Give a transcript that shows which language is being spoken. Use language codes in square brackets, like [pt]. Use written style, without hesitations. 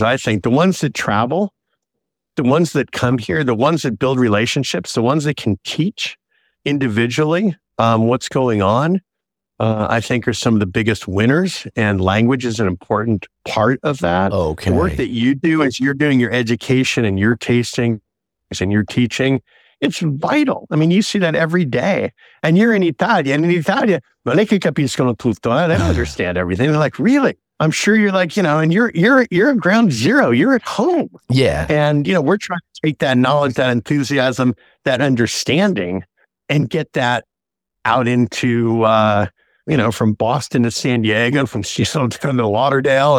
[en] I think the ones that travel, the ones that come here, the ones that build relationships, the ones that can teach individually what's going on, I think are some of the biggest winners. And language is an important part of that. Okay. The work that you do as you're doing your education and your tasting and your teaching, it's vital. I mean, you see that every day. And you're in Italia. [it] And in Italia, non è che capiscono tutto. [en] They don't understand everything. They're like, really? I'm sure you're like, you know, and you're at ground zero. You're at home. Yeah. And, you know, we're trying to take that knowledge, that enthusiasm, that understanding, and get that out into, you know, from Boston to San Diego, from Seattle to Lauderdale.